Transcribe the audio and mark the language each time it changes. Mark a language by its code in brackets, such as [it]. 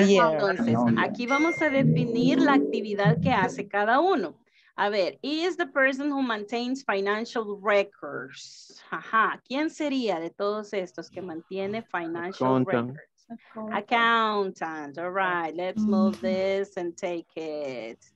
[es] Entonces, aquí vamos a definir la actividad que hace cada uno. A ver, [en] is the person who maintains financial records. Ajá, ¿quién sería de todos estos que mantiene financial accountant. Records? Accountant. All right, let's move this and take it.